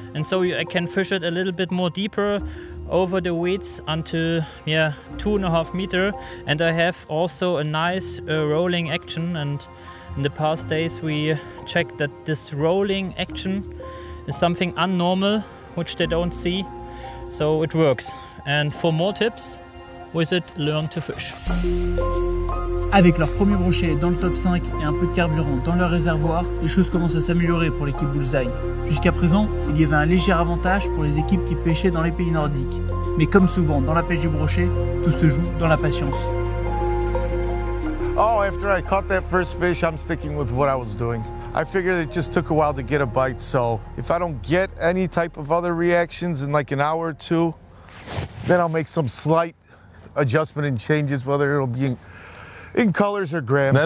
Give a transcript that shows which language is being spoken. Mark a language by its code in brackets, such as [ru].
[en] And so I can fish it a little bit more deeper over the weeds until 2.5 meters, and I have also a nice rolling action. And in the past days we checked that this rolling action is something unnormal which they don't see, so it works. And for more tips, visit Learn to Fish. [fr] Avec leur premier brochet dans le top 5 et un peu de carburant dans leur réservoir, les choses commencent à s'améliorer pour l'équipe Bullseye. Jusqu'à présent, il y avait un léger avantage pour les équipes qui pêchaient dans les pays nordiques. Mais comme souvent dans la pêche du brochet, tout se joue dans la patience. [en] Oh, after I caught that first fish, I'm sticking with what I was doing. I figured it just took a while to get a bite, so if I don't get any type of other reactions in like an hour or two, then I'll make some slight adjustment and changes, whether it'll be in colors or grams.